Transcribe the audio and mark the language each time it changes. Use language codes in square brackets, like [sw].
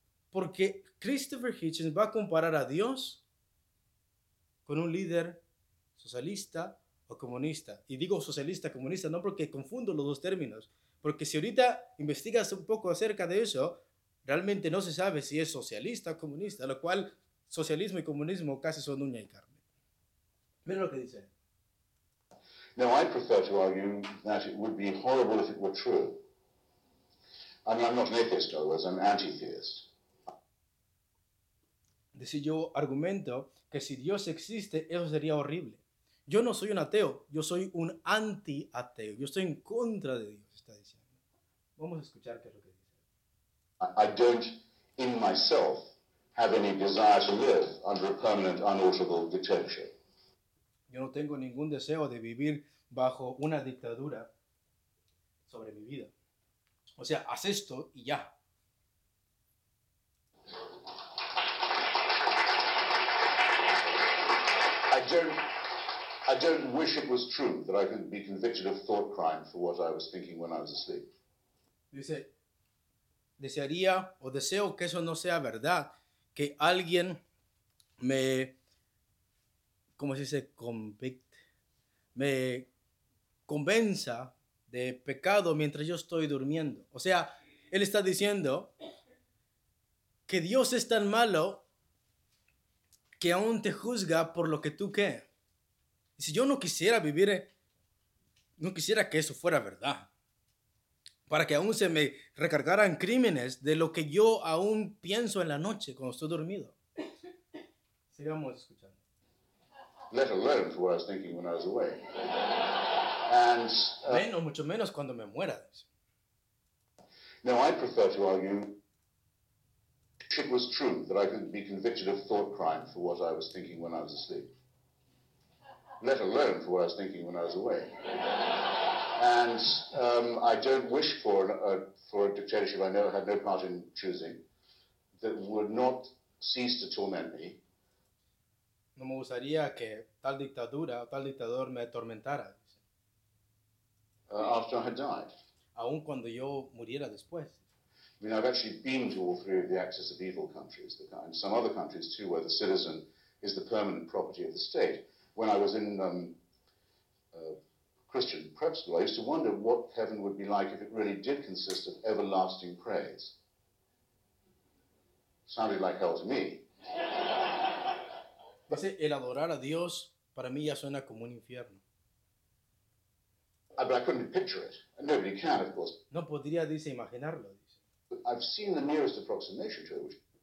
[es] Porque Christopher Hitchens va a comparar a Dios con un líder socialista o comunista. Y digo socialista, comunista, no porque confundo los dos términos. Porque si ahorita investigas un poco acerca de eso, realmente no se sabe si es socialista o comunista, lo cual socialismo y comunismo casi son uña y carne. Mira lo que dice. [en] Now, I prefer to argue that it would be horrible if it were true. I mean, I'm not an atheist, otherwise, I'm anti-theist. [es] Decir, yo argumento que si Dios existe, eso sería horrible. Yo no soy un ateo, yo soy un anti-ateo. Yo estoy en contra de Dios. Vamos a escuchar qué es lo que dice. [en] I don't, in myself, have any desire to live under a permanent, unalterable dictatorship. [es] Yo no tengo ningún deseo de vivir bajo una dictadura sobre mi vida. O sea, haz esto y ya. [en] I don't wish it was true that I could be convicted of thought crime for what I was thinking when I was asleep. [es] Dice, desearía o deseo que eso no sea verdad, que alguien me, ¿cómo se dice? Convict, me convenza de pecado mientras yo estoy durmiendo. O sea, él está diciendo que Dios es tan malo que aún te juzga por lo que tú qué. Dice, yo no quisiera vivir, no quisiera que eso fuera verdad. Para que aún se me recargaran crímenes de lo que yo aún pienso en la noche cuando estoy dormido. Sigamos escuchando. [en] Let alone for what I was thinking when I was awake. And, [es] menos, mucho menos cuando me muera. [en] Now, I prefer to argue it was true that I could be convicted of thought crime for what I was thinking when I was asleep. Let alone for what I was thinking when I was awake. And I don't wish for a dictatorship I never had no part in choosing that would not cease to torment me. [es] No me gustaría que tal dictadura o tal dictador me atormentara. [en] After I had died. [es] Aún cuando yo muriera después. [en] mean, I've actually been to all three of the axis of evil countries, and some other countries too, where the citizen is the permanent property of the state. When I was in Christian prep school, I used to wonder what heaven would be like if it really did consist of everlasting praise. Sounded like hell to me. [es] Ese el adorar a Dios para mí ya suena como un infierno. [en] But I couldn't picture it. Nobody can, of course. [es] No podría, dice, imaginarlo, dice. [en] I've seen the nearest approximation to it, which.